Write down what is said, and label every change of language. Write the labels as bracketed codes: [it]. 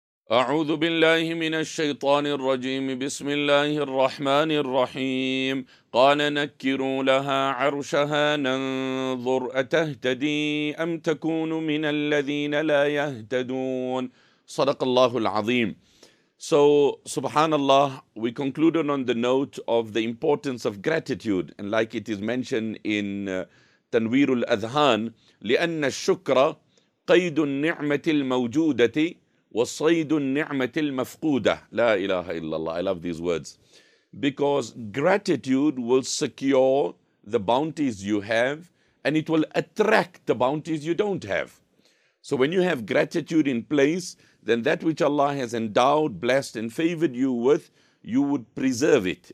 [ar] أعوذ بالله من الشيطان الرجيم. بسم الله الرحمن الرحيم. قال نكروا لها عرشها ننظر أتهتدي أم تكون من الذين لا يهتدون. صدق الله العظيم. [en] So, subhanAllah, we concluded on the note of the importance of gratitude. And like it is mentioned in Tanwir al-Adhan, [ar] لِأَنَّ الشُّكْرَ قَيْدُ النِّعْمَةِ الْمَوْجُودَةِ وَصَيْدُ النِّعْمَةِ الْمَفْقُودَةِ لَا إِلَهَ إِلَّا اللَّهِ. [en] I love these words. Because gratitude will secure the bounties you have, and it will attract the bounties you don't have. So when you have gratitude in place, then that which Allah has endowed, blessed and favored you with, you would preserve it.